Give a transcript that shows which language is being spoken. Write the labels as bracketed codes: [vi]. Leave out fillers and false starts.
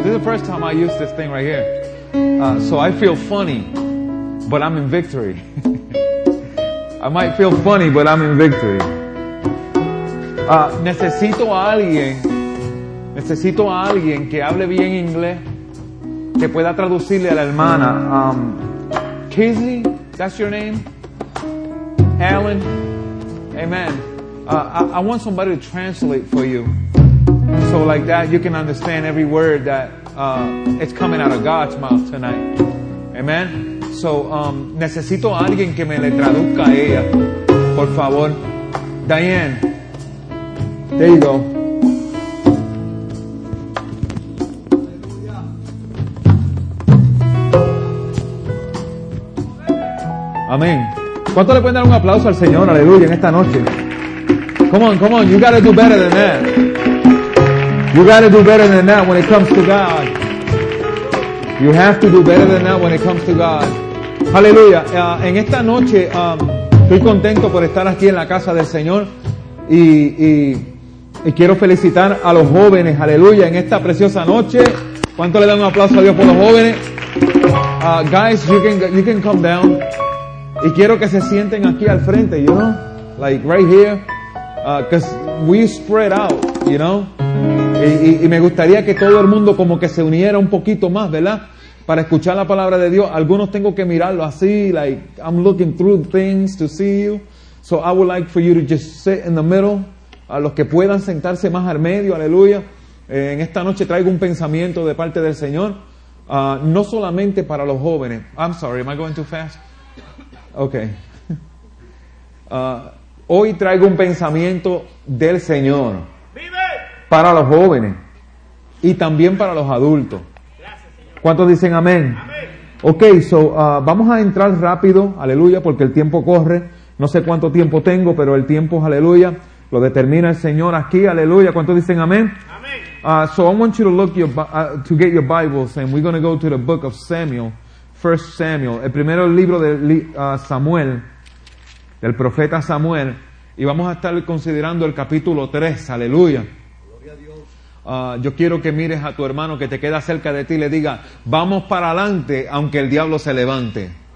[en] This is the first time I use this thing right here. So I feel funny, but I'm in victory. I might feel funny, but I'm in victory. [es] Necesito a alguien que hable bien inglés, que pueda traducirle a la hermana. [en] Kizzy, that's your name? Helen? Amen. I want somebody to translate for you. So like that you can understand every word that it's coming out of God's mouth tonight. Amen. [es] So necesito a alguien que me le traduzca a ella. Por favor. [en] Diane. There you go. [es] Amén. ¿Cuánto le pueden dar un aplauso al Señor? Aleluya, en esta noche. [en] Come on, you gotta do better than that. You gotta do better than that when it comes to God. You have to do better than that when it comes to God. [es] Aleluya. En esta noche estoy contento por estar aquí en la casa del Señor y quiero felicitar a los jóvenes, aleluya, en esta preciosa noche. ¿Cuánto le dan un aplauso a Dios por los jóvenes? [en] Guys, you can come down. [es] Y quiero que se sienten aquí al frente, [en] you know? Like right here. Because we spread out, you know? [es] Y me gustaría que todo el mundo como que se uniera un poquito más, ¿verdad? Para escuchar la palabra de Dios. Algunos tengo que mirarlo así, [en] like I'm looking through things to see you. So I would like for you to just sit in the middle. [es] A los que puedan sentarse más al medio, aleluya. En esta noche traigo un pensamiento de parte del Señor. No solamente para los jóvenes. [en] I'm sorry, am I going too fast? Okay. [es] Hoy traigo un pensamiento del Señor para los jóvenes y también para los adultos. ¿Cuántos dicen amén? [en] Okay, so [es] vamos a entrar rápido, aleluya, porque el tiempo corre. No sé cuánto tiempo tengo, pero el tiempo, aleluya, lo determina el Señor aquí, aleluya. ¿Cuántos dicen amén? [en] So I want you to look to get your Bibles, and we're going to go to the book of Samuel. [es] First Samuel, el primer libro de Samuel, del profeta Samuel, y vamos a estar considerando el capítulo 3, aleluya. Gloria a Dios. Yo quiero que mires a tu hermano que te queda cerca de ti y le diga, vamos para adelante aunque el diablo se levante.